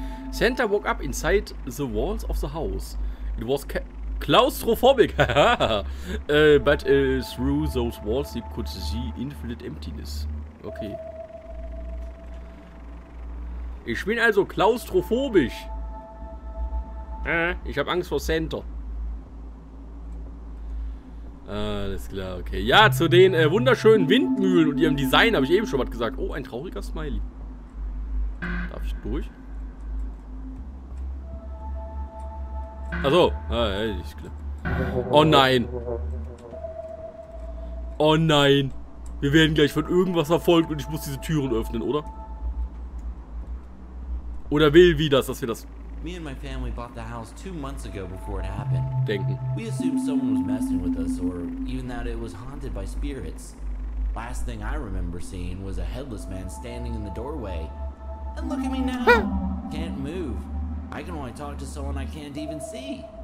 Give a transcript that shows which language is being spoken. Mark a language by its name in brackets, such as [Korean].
[English] Santa woke up inside the walls of the house. It was claustrophobic. but through those walls he could see infinite emptiness. Okay. [German] Ich bin also claustrophobisch. Ich habe Angst vor Santa. Alles klar, okay. Ja, zu den wunderschönen Windmühlen und ihrem Design habe ich eben schon was gesagt. Oh, ein trauriger Smiley. Darf ich durch? Achso. Ah, ja, ist klar. Oh nein. Oh nein. Wir werden gleich von irgendwas verfolgt und ich muss diese Türen öffnen, oder? Oder will wie das, dass wir das... [English] Me and my family bought the house 2 months ago before it happened. [German] Denken. [English] We assumed someone was messing with us or even that it was haunted by spirits. Last thing I remember seeing was a headless man standing in the doorway. And look at me now. Can't move. I can only talk to someone I can't even see.